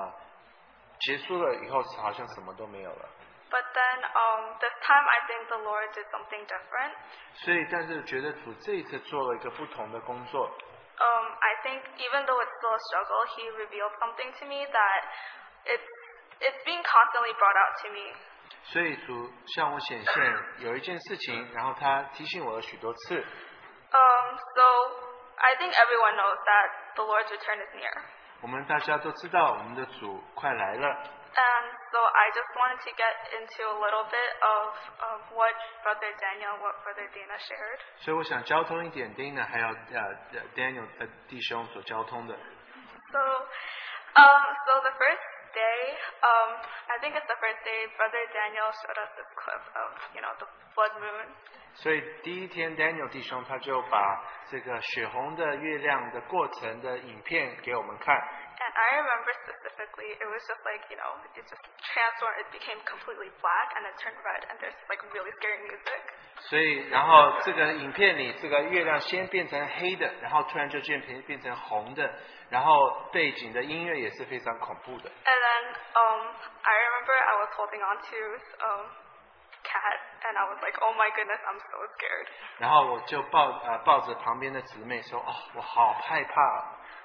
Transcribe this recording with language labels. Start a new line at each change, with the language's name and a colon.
Chinese: 所以总是觉得每次参加特会，你好像有一个属灵的高潮一样，可是然后结束了以后，好像什么都没有了。
English: But then this time I think the Lord did something different.
Chinese: 所以但是觉得主这一次做了一个不同的工作。
English: I think even though it's still a struggle, He revealed something to me that it's being constantly brought out to me.
Chinese: 所以主向我显现有一件事情，然后他提醒我了许多次。
English: So I think everyone knows that the Lord's return is near.
Chinese: 我们大家都知道我们的主快来了。
English: And so I just wanted to get into a little bit of what Brother Daniel, what Brother Dana shared.
Chinese: 所以我想交通一点，Dana还有Daniel的弟兄所交通的。
English: So So the first day, I think it's the first day Brother Daniel showed us this clip of, you know, the blood moon.
Chinese: 所以第一天 Daniel 弟兄他就把这个血红的月亮的过程的影片给我们看。
English: And I remember specifically, it was just like, you know, it just transformed, it became completely black, and it turned red, and there's like really scary music.
Chinese: 所以然后这个影片里这个月亮先变成黑的,然后突然就变成红的,然后背景的音乐也是非常恐怖的。
English: And then, I remember I was holding on to Cat, and I was like, oh my goodness, I'm so scared.
Chinese: 然后我就抱着旁边的姊妹说,哦,我好害怕。